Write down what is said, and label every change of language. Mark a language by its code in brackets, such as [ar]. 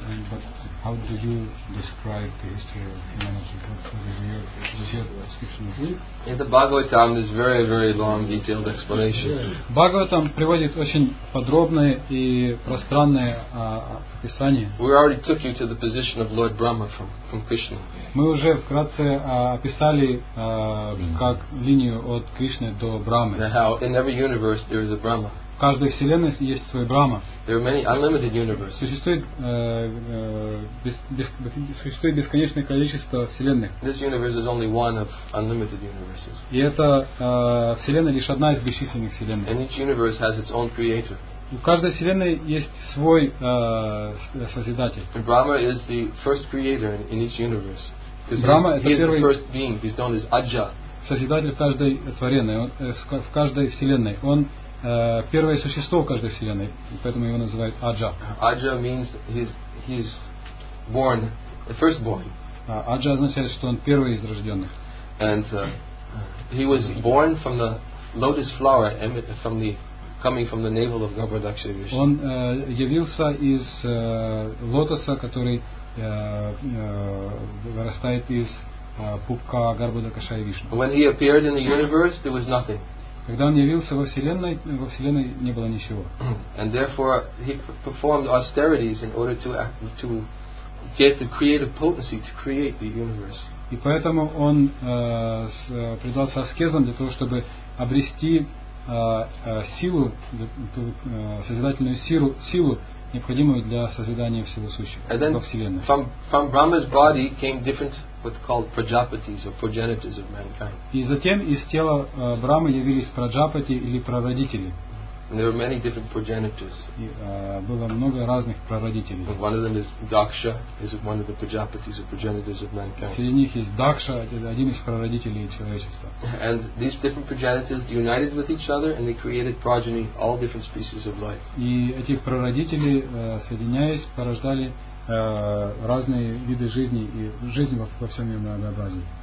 [en] But how do you describe the history of humanity? What is your description of it? In the Bhagavatam, there's very, very long, detailed explanation. [ru] Bhagavatam приводит очень подробное и пространное описание. [en] We already took you to the position of Lord Brahma from Krishna. [ru] Мы уже вкратце описали как линию от Кришны до Брахмы. [en] Now, in every universe, there is a Brahma. [ru] В каждой вселенной есть свой Брахма. Существует бесконечное количество вселенных. [en] This universe is only one of unlimited universes. [ru] И эта вселенная лишь одна из бесчисленных вселенных. [en] And each universe has its own creator. [ru] У каждой вселенной есть свой создатель. [en] And Brahma is the first creator in each universe. [ru] Брахма это первый. [en] He is the first being. He's known as Ajah. [ru] Создатель каждой творенной, в каждой вселенной. Он первое существо в каждой вселенной, поэтому его называют Аджа. [en] Аджа means he's born, the firstborn. [ru] Аджа означает, что он первый из рожденных. [en] And he was born from the lotus flower, coming from the navel of Gavardaksha Rishi. [ru] Он явился из лотоса, который вырастает из пупка Гарбхадакши и Вишну. [en] When he appeared in the universe, there was nothing. [ru] Когда он явился во вселенной не было ничего. [en] And therefore he performed austerities in order to get the creative potency to create the universe. [ru] И поэтому он предался аскезам для того, чтобы обрести силу, созидательную силу, необходимую для созидания всего сущего во вселенной. [en] From Brahma's body came different what's called prajapatis or progenitors of mankind. [ru] И затем из тела Брахмы явились праджапати или прародители. [en] There were many different progenitors. [ru] Было много разных прародителей. [en] But one of them is Daksha, is one of the prajapatis or progenitors of mankind. [ru] Среди них есть Дакша, один из прародителей человечества. [en] And these different progenitors united with each other and they created progeny, all different species of life. [ru] И эти прародители, соединяясь, порождали разные виды жизни и жизнь во всем ее многообразии.